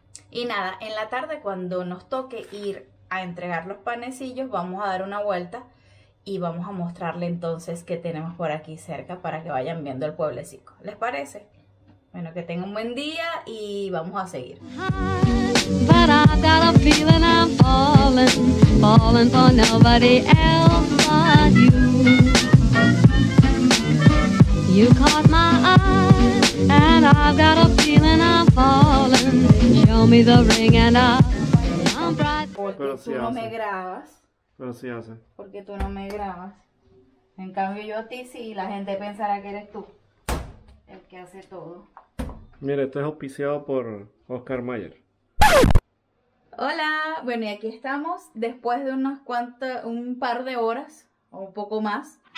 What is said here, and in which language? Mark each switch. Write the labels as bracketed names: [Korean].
[Spanish] Y nada, en la tarde cuando nos toque ir a entregar los panecillos, vamos a dar una vuelta y vamos a mostrarle entonces qué tenemos por aquí cerca para que vayan viendo el pueblecito. ¿Les parece? Bueno, que tengan un buen día y vamos a seguir. [English] But I've got a feeling I'm falling, falling for nobody else but you. You caught my eye, and I've got a feeling I'm falling. Show me the ring and I'll jump right. [Spanish] Pero si tú no me grabas. Pero si hace. Porque tú no me grabas. En cambio yo a ti sí, la gente pensará que eres tú el que hace todo. Mira, esto es auspiciado por Oscar Mayer. Hola, bueno, y aquí estamos después de un par de horas o un poco más.